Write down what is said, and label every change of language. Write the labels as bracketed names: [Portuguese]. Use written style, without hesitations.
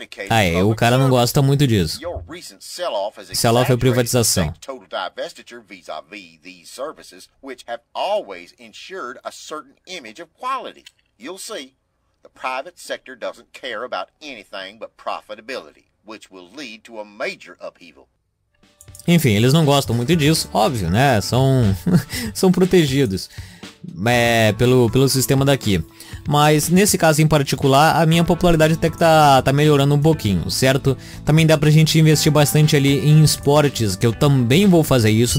[Portuguese] Aí, o cara não gosta muito disso. Sell-off é privatização. [English] Total divestiture vis-à-vis these services, which have always ensured a certain image of quality. You'll see, the private sector doesn't care about anything but profitability. Which will lead to a major upheaval. [Portuguese] Enfim, eles não gostam muito disso, óbvio, né? São protegidos pelo sistema daqui. Mas nesse caso em particular, a minha popularidade até que tá melhorando um pouquinho, certo? Também dá pra gente investir bastante ali em esportes, que eu também vou fazer isso.